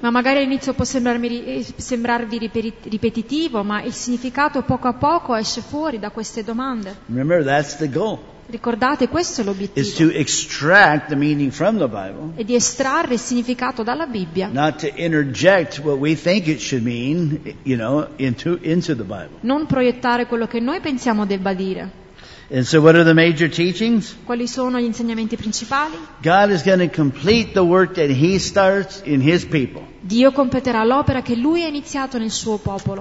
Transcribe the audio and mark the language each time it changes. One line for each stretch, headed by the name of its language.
Italian: Ma magari all'inizio può sembrarvi ripetitivo, ma il significato poco a poco esce fuori da queste domande.
English: Remember, that's the goal.
Italian: Ricordate, questo è l'obiettivo.
English: Is to extract the meaning from the Bible.
Italian: E di estrarre il significato dalla Bibbia.
English: Not to interject what we think it should mean, you know, into the Bible.
Italian: Non proiettare quello che noi pensiamo debba dire.
English: And so what are the major teachings?
Italian: Quali sono gli insegnamenti principali?
English: God is going to complete the work that He starts in His people.
Italian: Dio completerà l'opera che Lui ha iniziato nel suo popolo.